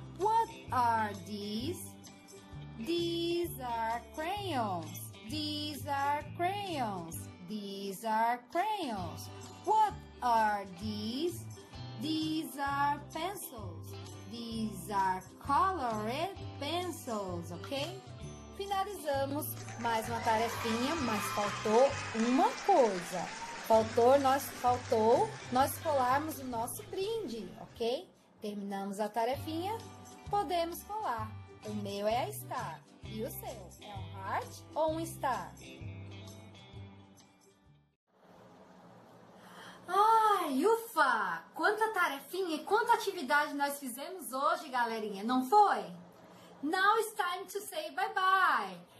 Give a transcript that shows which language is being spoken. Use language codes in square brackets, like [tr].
[en] What are these? These are crayons. These are crayons. These are crayons. What are these? These are pencils. These are colored pencils, ok? [pt] Finalizamos mais uma tarefinha, mas faltou uma coisa. Faltou nós colarmos o nosso brinde, ok? Terminamos a tarefinha, podemos colar. O meu é a star. E o seu? É um heart ou um star? Ai, ufa! Quanta tarefinha e quanta atividade nós fizemos hoje, galerinha, não foi? [en] Now it's time to say bye-bye!